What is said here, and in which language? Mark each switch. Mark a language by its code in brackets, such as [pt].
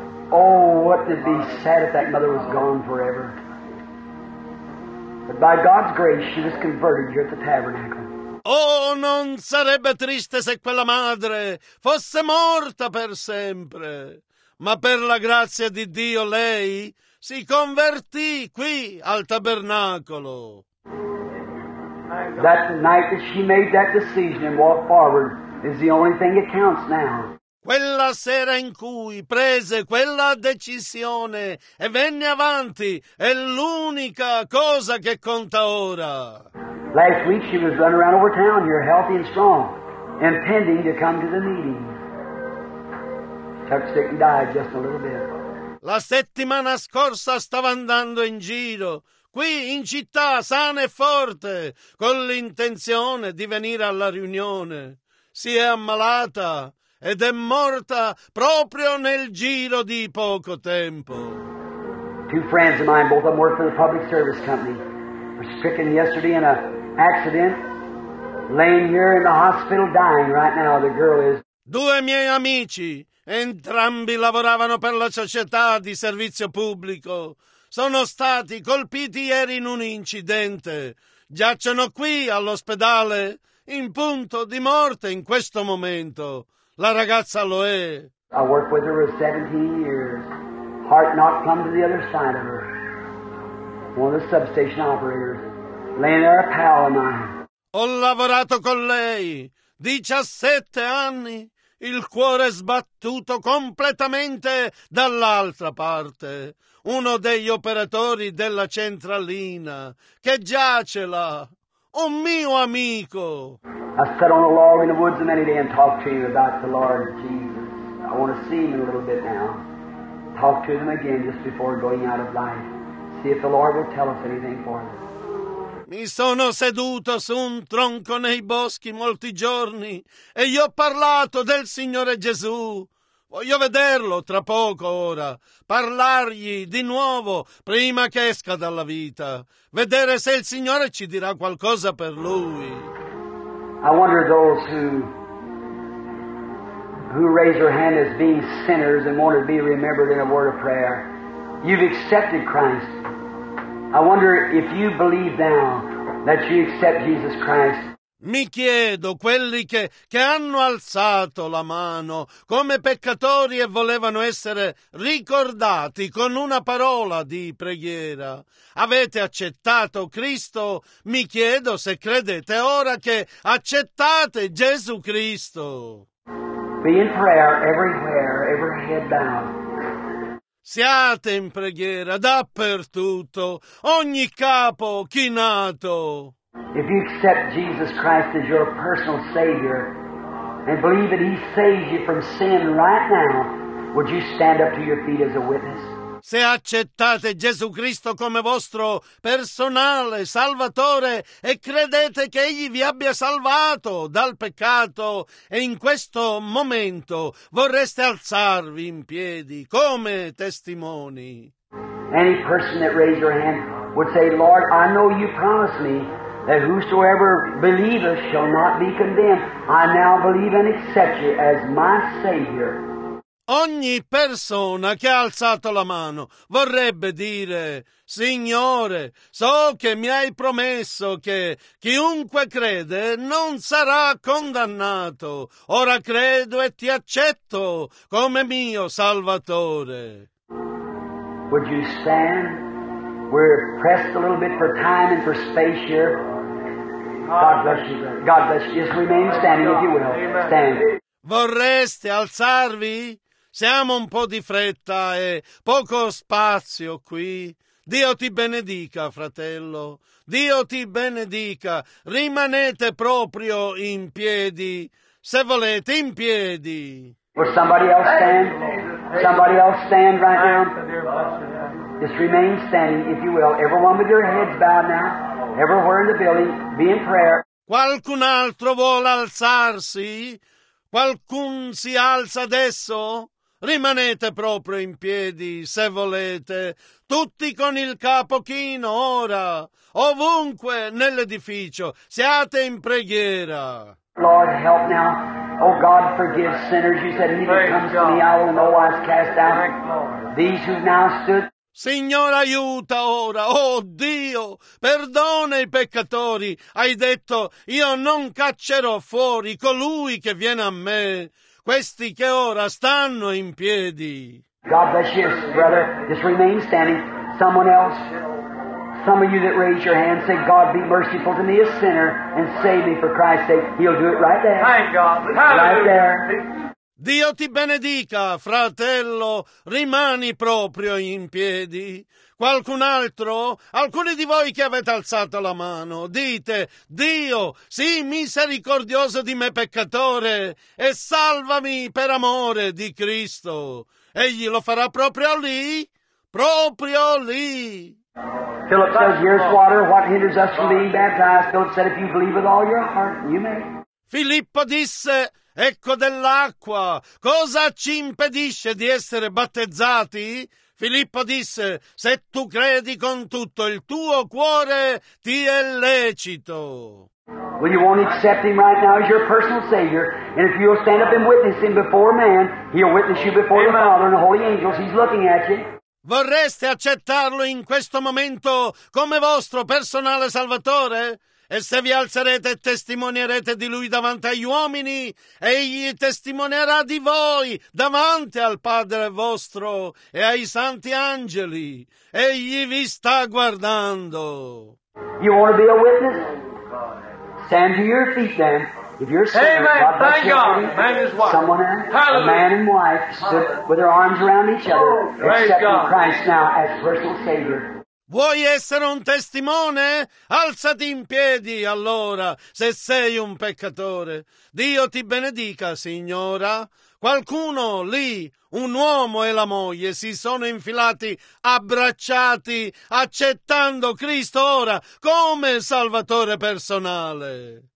[en] Oh, what to be sad if that mother was gone forever. But by God's grace she was converted here at the tabernacle. [it] Oh, non sarebbe triste se quella madre fosse morta per sempre. Ma per la grazia di Dio lei si convertì qui al tabernacolo. [en] That night that she made that decision and walked forward is the only thing that counts now. [it] Quella sera in cui prese quella decisione e venne avanti è l'unica cosa che conta ora. [en] Last week she was running around over town here, healthy and strong, intending to come to the meeting. Tucked sick and died just a little bit. [it] La settimana scorsa stava andando in giro, qui in città, sana e forte, con l'intenzione di venire alla riunione. Si è ammalata ed è morta proprio nel giro di poco tempo. [en] Two friends of mine, both of them work for the public service company, were stricken yesterday in a accident, laying here in the hospital dying right now, the girl is. [it] Due miei amici, entrambi lavoravano per la società di servizio pubblico, sono stati colpiti ieri in un incidente. Giacciono qui all'ospedale, in punto di morte in questo momento. La ragazza lo è. [en] I worked with her for 17 years. Heart not come to the other side of her. One of the substation operators. Laying there a pal of mine. [it] Ho lavorato con lei 17 anni. Il cuore sbattuto completamente dall'altra parte. Uno degli operatori della centralina che giace là. Un mio amico. [en] I sat on a log in the woods many days and talked to you about the Lord Jesus. I want to see him in a little bit now. Talk to him again just before going out of life. See if the Lord will tell us anything for him. [it] Mi sono seduto su un tronco nei boschi molti giorni e gli ho parlato del Signore Gesù. Voglio vederlo tra poco ora, parlargli di nuovo prima che esca dalla vita, vedere se il Signore ci dirà qualcosa per lui. [en] I wonder those who raise their hand as being sinners and want to be remembered in a word of prayer. You've accepted Christ. I wonder if you believe now that you accept Jesus Christ. [it] Mi chiedo quelli che hanno alzato la mano come peccatori e volevano essere ricordati con una parola di preghiera. Avete accettato Cristo? Mi chiedo se credete ora che accettate Gesù Cristo. [en] Be in prayer everywhere, every head bowed. [it] Siate in preghiera dappertutto, ogni capo chinato. [en] If you accept Jesus Christ as your personal Savior and believe that He saves you from sin right now, would you stand up to your feet as a witness? [it] Se accettate Gesù Cristo come vostro personale Salvatore e credete che Egli vi abbia salvato dal peccato, e in questo momento vorreste alzarvi in piedi come testimoni. [en] Any person that raised your hand would say, Lord, I know you promised me that whosoever believeth shall not be condemned. I now believe and accept you as my Savior. [it] Ogni persona che ha alzato la mano vorrebbe dire, Signore, so che mi hai promesso che chiunque crede non sarà condannato. Ora credo e ti accetto come mio Salvatore. [en] Would you stand? We're pressed a little bit for time and for space here. God bless you. Just remain standing if you will. Stand. [it] Vorreste alzarvi? Siamo un po' di fretta e poco spazio qui. Dio ti benedica, fratello. Dio ti benedica. Rimanete proprio in piedi. Se volete, in piedi. [en] Will somebody else stand? Somebody else stand right now? Just remain standing, if you will. Everyone with your heads bowed now. Everywhere in the building, be in prayer. [it] Qualcun altro vuole alzarsi? Qualcun si alza adesso? Rimanete proprio in piedi, se volete, tutti con il capo chino ora, ovunque nell'edificio, siate in preghiera. [en] Lord, help now. Oh God, forgive sinners. You said, he that comes to me, I will no wise cast out. These who now stood. [it] Signore, aiuta ora. Oh Dio, perdona i peccatori. Hai detto, io non caccerò fuori colui che viene a me. Questi che ora stanno in piedi. [en] God bless you, brother. Just remain standing. Someone else, some of you that raise your hand, say, God be merciful to me, a sinner, and save me for Christ's sake. He'll do it right there. Thank God. Hallelujah. Right there. [it] Dio ti benedica, fratello. Rimani proprio in piedi. Qualcun altro? Alcuni di voi che avete alzato la mano, dite, Dio, sii misericordioso di me peccatore e salvami per amore di Cristo. Egli lo farà proprio lì, proprio lì. [en] Philip says, here's water, what hinders us from being baptized? Philip said, if you believe with all your heart, you may. [it] Filippo disse, ecco dell'acqua, cosa ci impedisce di essere battezzati? Filippo disse, se tu credi con tutto il tuo cuore, ti è lecito. [en] Well, you won't accept him right now as your personal Savior, and if you'll stand up and witness him before man, he'll witness you before the Father and the holy angels, he's looking at you. [it] Vorreste accettarlo in questo momento come vostro personale Salvatore? E se vi alzerete e testimonierete di lui davanti agli uomini, egli testimonierà di voi davanti al Padre vostro e ai santi angeli. Egli vi sta guardando. [en] You want to be a witness? Stand to your feet then. If you're sinner, amen. God bless thank you. God. Man is wife. Someone else, hallelujah. A man and wife stood with their arms around each other, accepting Christ now as personal Savior. [it] Vuoi essere un testimone? Alzati in piedi, allora, se sei un peccatore. Dio ti benedica, signora. Qualcuno lì, un uomo e la moglie, si sono infilati, abbracciati, accettando Cristo ora come salvatore personale.